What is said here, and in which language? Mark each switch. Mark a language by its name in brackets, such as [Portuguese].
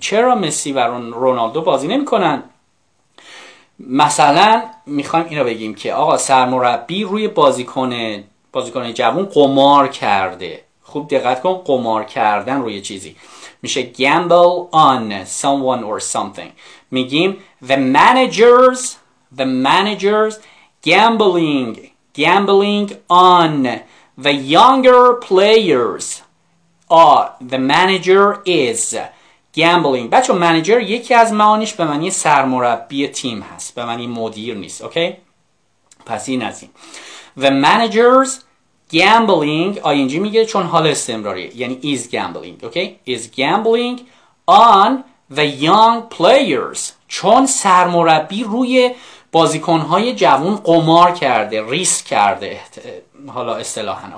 [Persian] چرا مسی و رونالدو بازی نمی‌کنن؟ مثلا می‌خوام اینو بگیم که آقا سرمربی روی بازیکن جوان قمار کرده. خوب دقت کن, قمار کردن روی چیزی میشه [English] gamble on someone or something. [Persian] میگیم [English] the managers gambling on the younger players. The manager is gambling. [Persian] بچه manager یکی از معانیش به معنی سرمربی تیم هست, به معنی مدیر نیست. اوکی, پس این از این. [English] The managers gambling, [Persian] ing میگه چون حال استمراریه, یعنی [English] is gambling. [Persian] اوکی, [English] is gambling on the young players, [Persian] چون سرمربی روی بازیکن‌های جوان قمار کرده, ریسک کرده حالا اصطلاحاً.